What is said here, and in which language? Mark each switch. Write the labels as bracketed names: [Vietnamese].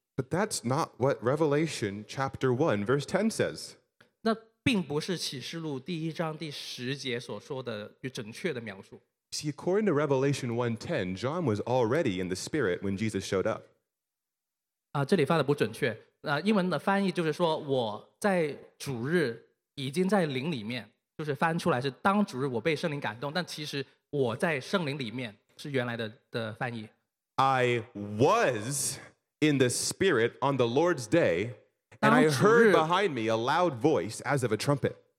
[English] But that's not what Revelation chapter 1 verse 10 says. [Chinese] 那并不是启示录第一章第十节所说的正确的描述。 [English] See, according to Revelation 1:10, John was already in the spirit when Jesus showed up. [Chinese] 这里翻的不准确,英文的翻译就是说,我在主日已经在灵里面,就是翻出来是当主日我被圣灵感动,但其实我在圣灵里面是原来的翻译。 [English] I was in the spirit on the Lord's day, and I heard behind me a loud voice as of a trumpet.